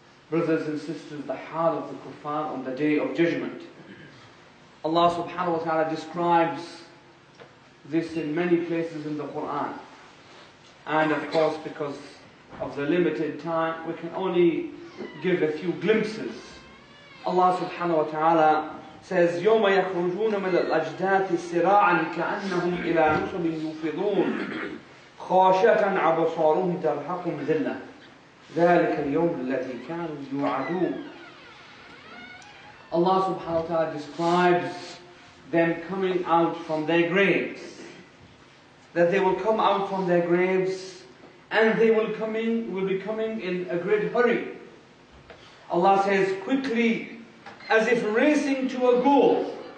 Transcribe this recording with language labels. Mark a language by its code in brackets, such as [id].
[en] Brothers and sisters, the heart of the kuffar on the Day of Judgment. Allah subhanahu wa ta'ala describes this in many places in the Quran. And of course, because of the limited time, we can only give a few glimpses. Allah subhanahu wa ta'ala says, [ar] يَوْمَ يَخْرُجُونَ مِنَ الْأَجْدَاثِ سِرَاعًا كَأَنَّهُمْ إِلَىٰ نُصُبٍ يُوفِضُونَ خَاشَةً عَبَصَارُهُمْ تَرْحَقُمْ ذِلَّةً ذَلِكَ الْيَوْمِ الَّذِي كَانُوا يُوعَدُونَ. [en] Allah subhanahu wa ta'ala describes them coming out from their graves, that they will come out from their graves and they will be coming in a great hurry. Allah says, quickly, as if racing to a goal.